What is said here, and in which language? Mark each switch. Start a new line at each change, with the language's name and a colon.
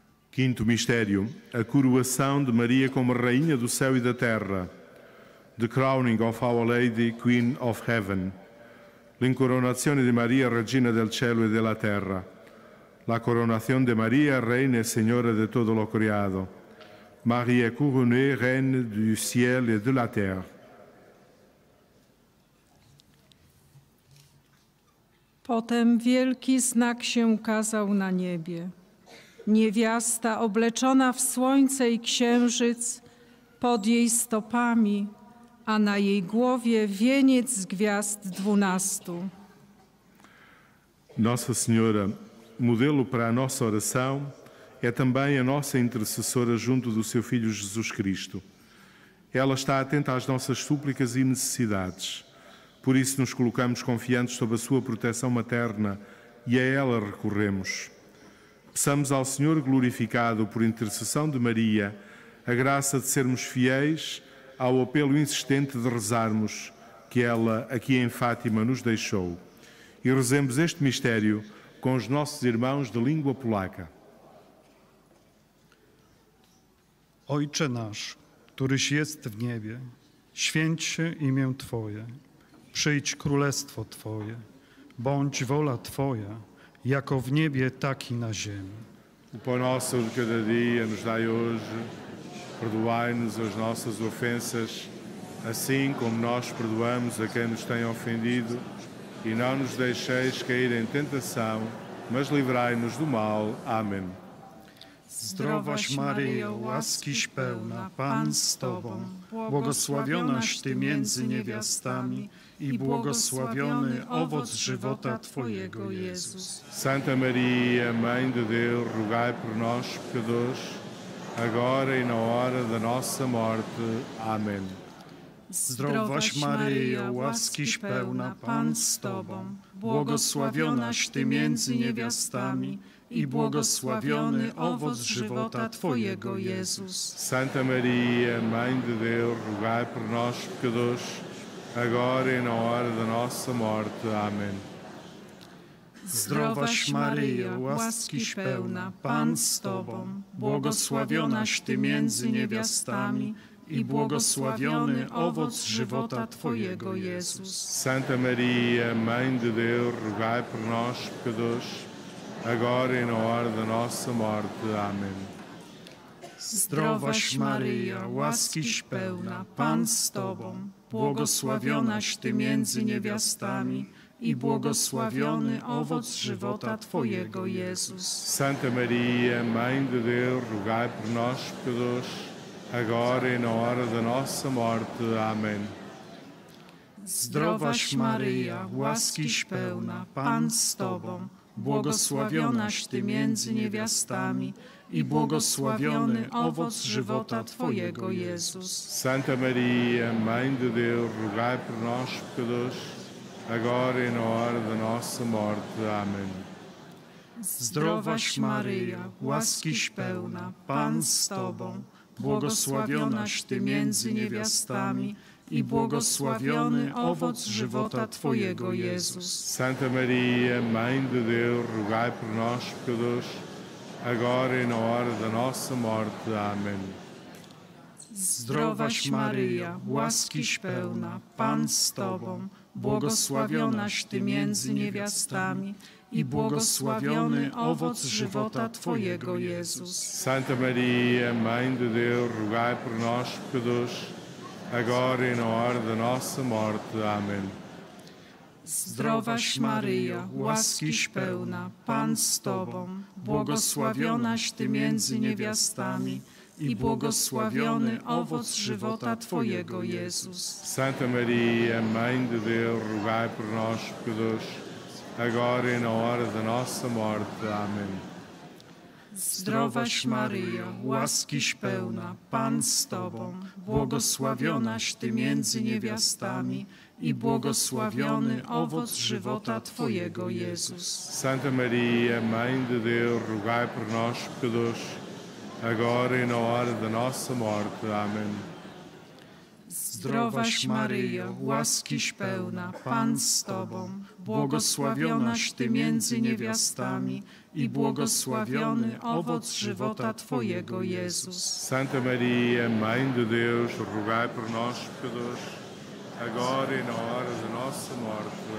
Portuguese: Quinto mistério, a coroação de Maria como Rainha do Céu e da Terra.
English: The crowning of Our Lady, Queen of Heaven.
Italian: L'incoronazione di Maria, Regina del Cielo e della Terra.
Spanish: La coronación de Maria, Reina e Señora de todo lo creado.
French: Maria couronnée, Reine du Ciel et de la Terre.
Polish: Potem wielki znak się ukazał na niebie. Niewiasta obleczona w słońce i księżyc pod jej stopami, a na jej głowie wieniec z gwiazd 12.
Portuguese: Nossa Senhora, modelo para a nossa oração, é também a nossa intercessora junto do seu Filho Jesus Cristo. Ela está atenta às nossas súplicas e necessidades. Por isso nos colocamos confiantes sob a sua proteção materna e a ela recorremos. Peçamos ao Senhor glorificado por intercessão de Maria a graça de sermos fiéis ao apelo insistente de rezarmos que ela aqui em Fátima nos deixou. E rezemos este mistério com os nossos irmãos de língua polaca.
Polish: Ojcze nasz, któryś jest w niebie, święć się imię Twoje, przyjdź królestwo Twoje, bądź wola Twoja, jako w niebie, tak i na ziemi.
Portuguese: O pão nosso de cada dia nos dai hoje, perdoai-nos as nossas ofensas, assim como nós perdoamos a quem nos tem ofendido, e não nos deixeis cair em tentação, mas livrai-nos do mal. Amém.
Polish: Zdrowaś Maryjo, łaskiś pełna, Pan z Tobą, błogosławionaś Ty między niewiastami i błogosławiony owoc żywota Twojego, Jezus.
Portuguese: Santa Maria, Mãe de Deus, rogai por nós, pecadores, agora e na hora da nossa morte. Amém.
Polish: Zdrowaś Maryjo, łaskiś pełna, Pan z Tobą, błogosławionaś Ty między niewiastami i błogosławiony owoc żywota Twojego, Jezus.
Portuguese: Santa Maria, Mãe de Deus, rogai por nós, pecadores, agora e na hora da nossa morte. Amém.
Polish: Zdrowaś Maryjo, łaskiś pełna, Pan z Tobą, błogosławionaś Ty między niewiastami i błogosławiony owoc żywota Twojego, Jezus.
Portuguese: Santa Maria, Mãe de Deus, rogai por nós, pecadores, agora e na hora da nossa morte. Amém.
Polish: Zdrowaś Maryjo, łaskiś pełna, Pan z Tobą, błogosławionaś Ty między niewiastami i błogosławiony owoc żywota Twojego, Jezus.
Portuguese: Santa Maria, Mãe de Deus, rogai por nós, pecadores, agora e na hora da nossa morte. Amém.
Polish: Zdrowaś Maryjo, łaskiś pełna, Pan z Tobą, błogosławionaś Ty między niewiastami i błogosławiony owoc żywota Twojego, Jezus.
Portuguese: Santa Maria, Mãe de Deus, rogai por nós, pecadores, agora e na hora da nossa morte. Amém.
Polish: Zdrowaś Maryjo, łaskiś pełna, Pan z Tobą, błogosławionaś Ty między niewiastami i błogosławiony owoc żywota Twojego, Jezus.
Portuguese: Santa Maria, Mãe de Deus, rogai por nós, pecadores, agora e na hora da nossa morte. Amém.
Polish: Zdrowaś Maryjo, łaskiś pełna, Pan z Tobą, błogosławionaś Ty między niewiastami i błogosławiony owoc żywota Twojego, Jezus.
Portuguese: Santa Maria, Mãe de Deus, rogai por nós, pecadores, agora e na hora da nossa morte. Amém.
Polish: Zdrowaś Maryjo, łaskiś pełna, Pan z Tobą, błogosławionaś Ty między niewiastami i błogosławiony owoc żywota Twojego, Jezus.
Portuguese: Santa Maria, Mãe de Deus, rogai por nós, pecadores, agora e na hora da nossa morte. Amém.
Polish: Zdrowaś Maryjo, łaskiś pełna, Pan z Tobą, błogosławionaś Ty między niewiastami i błogosławiony owoc żywota Twojego, Jezus.
Portuguese: Santa Maria, Mãe de Deus, rogai por nós, pecadores, agora e na hora da nossa morte. Amém.
Polish: Zdrowaś Maryjo, łaskiś pełna, Pan z Tobą, błogosławionaś Ty między niewiastami i błogosławiony owoc żywota Twojego, Jezus.
Portuguese: Santa Maria, Mãe de Deus, rogai por nós, pecadores, agora e na hora da nossa morte.